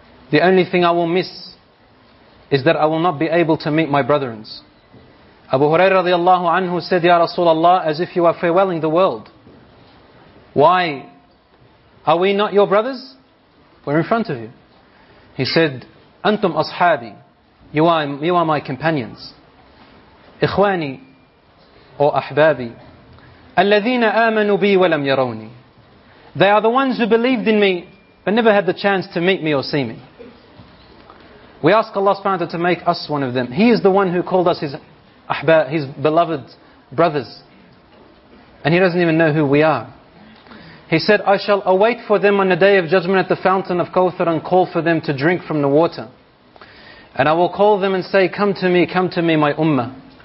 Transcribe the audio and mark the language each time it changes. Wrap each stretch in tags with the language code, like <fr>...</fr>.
<en>The only thing I will miss is that I will not be able to meet my brethren. Abu Hurairah radiallahu anhu said, Ya Rasulullah, as if you are farewelling the world. Why? Are we not your brothers? We're in front of you. He said,</en> <ar>أَنْتُمْ أَصْحَابِي.</ar> <en>You are my companions.</en> <ar>إخواني أو أحبابي الذين آمنوا بي ولم يروني.</ar> <en>They are the ones who believed in me but never had the chance to meet me or see me. We ask Allah subhanahu wa ta'ala to make us one of them. He is the one who called us his أحباب, his beloved brothers, and he doesn't even know who we are. He said, I shall await for them on the day of judgment at the fountain of Kawthar and call for them to drink from the water, and I will call them and say, come to me my ummah.</en>